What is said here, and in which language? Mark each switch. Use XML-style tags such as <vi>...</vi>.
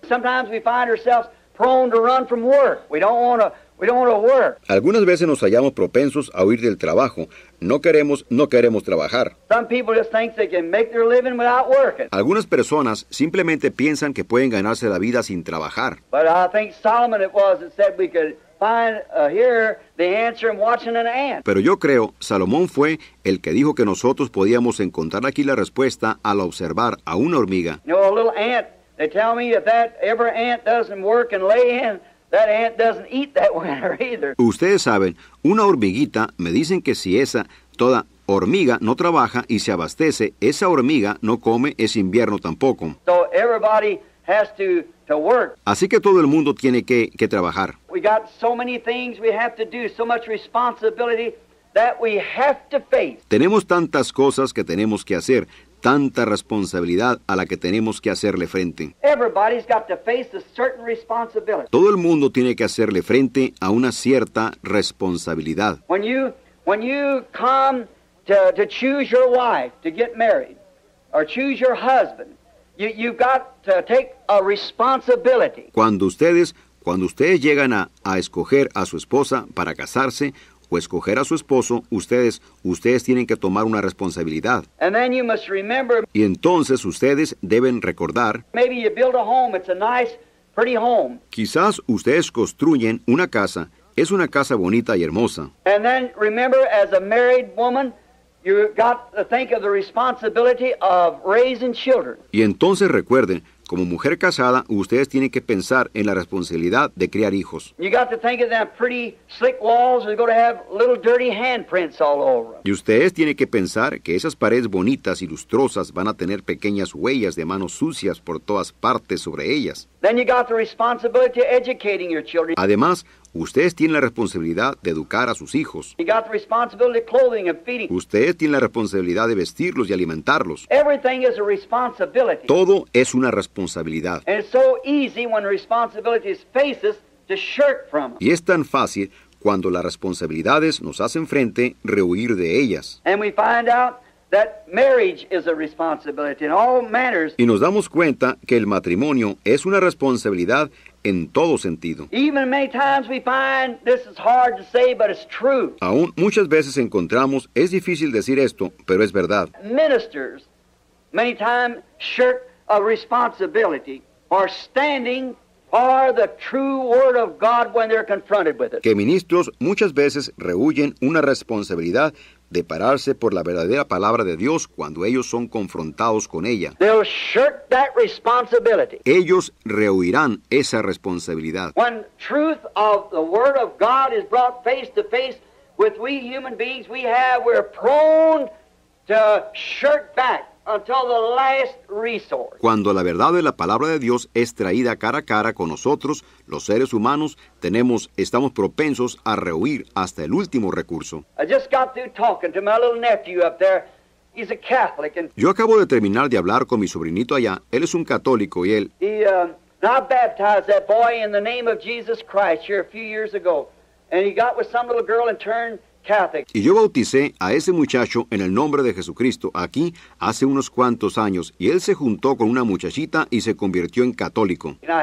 <en>Sometimes we find ourselves prone to run from work. We don't want to work.</en> <es>Algunas veces nos hallamos propensos a huir del trabajo. No queremos trabajar.</es> <en>Some people just think they can make their living without working.</en> <es>Algunas personas simplemente piensan que pueden ganarse la vida sin trabajar.</es> <en>But I think Solomon it was that said we could find here the answer in watching an ant.</en> <es>Pero yo creo, Salomón fue el que dijo que nosotros podíamos encontrar aquí la respuesta al observar a una hormiga.</es> <en>You know, a little ant, they tell me if that ever ant doesn't work and lay in, that ant doesn't eat that winter either.</en> <es>Ustedes saben, una hormiguita, me dicen que si esa toda hormiga no trabaja y se abastece, esa hormiga no come ese invierno tampoco.</es> <en>So everybody has to work.</en> <es>Así que todo el mundo tiene que trabajar.</es> <en>We got so many things we have to do, so much responsibility that we have to face.</en> <es>Tenemos tantas cosas que tenemos que hacer, tanta responsabilidad a la que tenemos que hacerle frente.</es> <en>Everybody's got to face a certain responsibility.</en> <es>Todo el mundo tiene que hacerle frente a una cierta responsabilidad.</es> <en>When you come to choose your wife to get married or choose your husband, you've got to take a responsibility.</en> <es>Cuando ustedes llegan a escoger a su esposa para casarse o escoger a su esposo, ustedes tienen que tomar una responsabilidad.</es> <en>And then you must remember,</en> <es>y entonces ustedes deben recordar,</es> <en>maybe you build a home, it's a nice, pretty home.</en> <es>Quizás ustedes construyen una casa, es una casa bonita y hermosa.</es> <en>And then remember, as a married woman, you've got to think of the responsibility of raising children.</en> <es>Y entonces recuerden, como mujer casada, ustedes tienen que pensar en la responsabilidad de criar hijos.</es> <en>You got to think of them pretty slick walls, they're going to have little dirty handprints all over them.</en> <es>Y ustedes tienen que pensar que esas paredes bonitas y lustrosas van a tener pequeñas huellas de manos sucias por todas partes sobre ellas.</es> <en>Then you got the responsibility of educating your children.</en> <es>Además, ustedes tienen la responsabilidad de educar a sus hijos.</es> <en>You got the responsibility of clothing and feeding.</en> <es>Ustedes tienen la responsabilidad de vestirlos y alimentarlos.</es> <en>Everything is a responsibility.</en> <es>Todo es una responsabilidad.</es> <en>And it's so easy when responsibilities face us to shirk from them.</en> <es>Y es tan fácil cuando las responsabilidades nos hacen frente rehuir de ellas.</es> <en>And we find out that marriage is a responsibility in all manners.</en> <es>Y nos damos cuenta que el matrimonio es una responsabilidad en todo sentido.</es> <en>Even many times we find this is hard to say, but it's true.</en> <es>Aún muchas veces encontramos, es difícil decir esto, pero es verdad.</es> <en>Ministers many times shirk a responsibility for standing for the true word of God when they're confronted with it.</en> <es>Que ministros muchas veces rehuyen una responsabilidad de pararse por la verdadera palabra de Dios cuando ellos son confrontados con ella.</es> <en>They'll shirk that responsibility.</en> <es>Ellos rehuirán esa responsabilidad.</es> <en>When truth of the word of God is brought face to face with we human beings, we're prone to shirk back until the last resource.</en> <es>Cuando la verdad de la palabra de Dios es traída cara a cara con nosotros, los seres humanos estamos propensos a rehuir hasta el último recurso.</es> <en>I just got through talking to my little nephew up there. He's a Catholic. And</en> <es>yo acabo de terminar de hablar con mi sobrinito allá. Él es un católico y él.</es> <en>I baptized that boy in the name of Jesus Christ here a few years ago, and he got with some little girl and turned.</en> <es>Y yo bauticé a ese muchacho en el nombre de Jesucristo aquí hace unos cuantos años, y él se juntó con una muchachita y se convirtió en católico.</es>